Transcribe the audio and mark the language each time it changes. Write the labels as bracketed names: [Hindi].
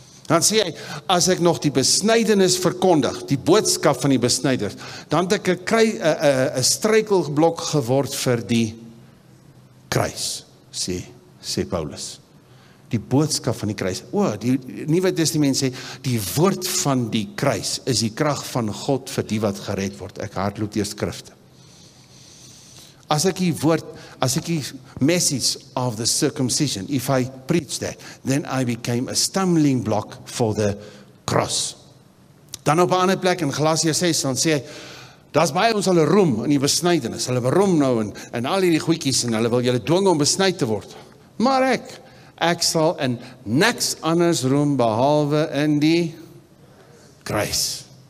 [Afrikaans] Dan sê hy, as ek nog die besnydenis verkondig, die boodskap van die besnyders, dan het ek een struikelblok geword vir die kruis, sê Paulus. Die boodskap van die kruis. O, die Nuwe Testament sê, die woord van die kruis is die krag van God vir die wat gered word. Ek hardloop die skrifte. As ek die woord, as ek die [English] message of the circumcision, if I preach that, then I became a stumbling block for the cross. [Afrikaans] Dan op 'n ander plek in Galasië 6, dan sê hy, daar is baie ons hulle roem in die besnijdenis, hulle roem nou in al die goeikies en hulle wil julle dwing om besnijd te word. Maar ek sal in niks anders roem behalwe in die kruis.